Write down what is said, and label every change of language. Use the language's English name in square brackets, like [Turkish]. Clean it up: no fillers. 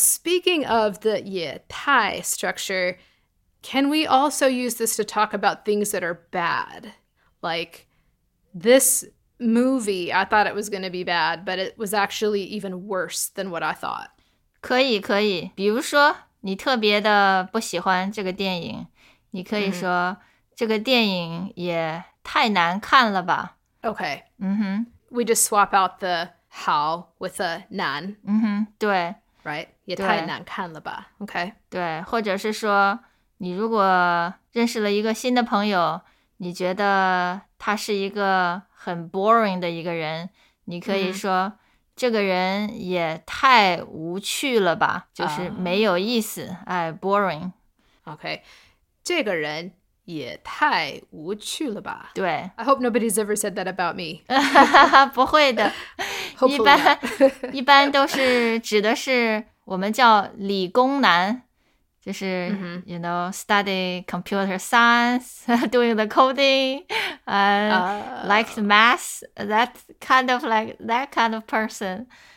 [English] Speaking of the 也太 structure, can we also use this to talk about things that are bad? Like, this movie, I thought it was going to be bad, but it was actually even worse than what I thought. [Chinese] 可以。比如说,你特别的不喜欢这个电影,你可以说,这个电影也太难看了吧。 [English] Okay. Mm-hmm. We just swap out the 好 with the 难. [Chinese] Mm-hmm. 对。 Right? 也太难看了吧。Okay. 对,或者是说,你如果认识了一个新的朋友,你觉得他是一个很 boring 的一个人,你可以说,这个人也太无趣了吧,就是没有意思,哎, boring. Okay. 这个人也太无趣了吧。对。 [English] I hope nobody's ever said that about me. [Chinese] 不会的。一般都是指的是我们叫理工男，就是、mm-hmm. [English] you know, study computer science, doing the coding, like math, that kind of like that kind of person.